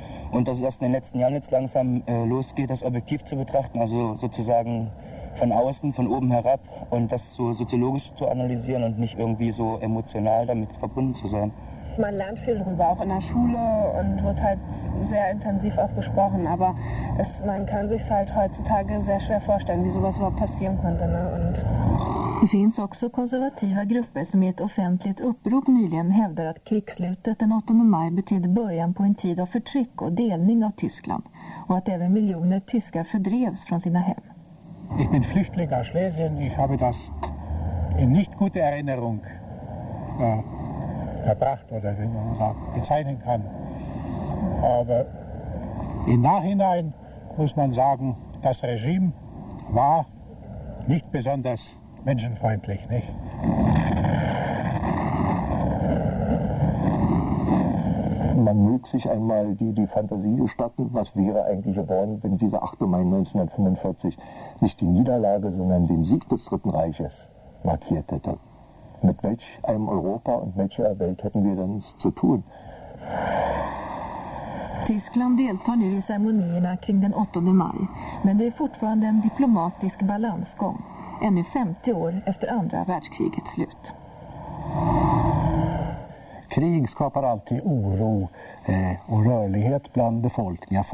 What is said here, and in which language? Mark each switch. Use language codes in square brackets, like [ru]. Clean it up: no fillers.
[de] Und dass es erst in den letzten Jahren jetzt langsam losgeht, das objektiv zu betrachten, also sozusagen von außen, von oben herab und das so soziologisch zu analysieren und nicht irgendwie so emotional damit verbunden zu sein. Man lernt viel darüber, auch in der Schule und wird halt sehr intensiv auch gesprochen, aber man kann sich halt heutzutage sehr schwer vorstellen, wie sowas überhaupt passieren konnte. Ne? Und [sv] det finns också konservativa grupper som i ett offentligt upprop nyligen hävdar att krigsslutet den 8 maj betyder början på en tid av förtryck och delning av Tyskland och att även miljoner tyskar fördrevs från sina hem. [de] Ich bin Flüchtling aus Schlesien, ich habe das in nicht guter Erinnerung verbracht oder wie man bezeichnen kann. Aber im Nachhinein muss man sagen, das Regime war nicht besonders menschenfreundlich. Nicht? Man möge sich einmal die Fantasie gestatten, was wäre eigentlich geworden, wenn dieser 8. Mai 1945 nicht die Niederlage, sondern den Sieg des Dritten Reiches markiert hätte. Mit welch einem Europa und welcher Welt hätten wir dann zu tun? [sv] Tyskland deltar nu i ceremonierna kring den 8 maj, men det är fortfarande en diplomatisk balansgång, ännu 50 år efter andra världskrigets slut. Krig skapar alltid oro och rörlighet bland befolkningar.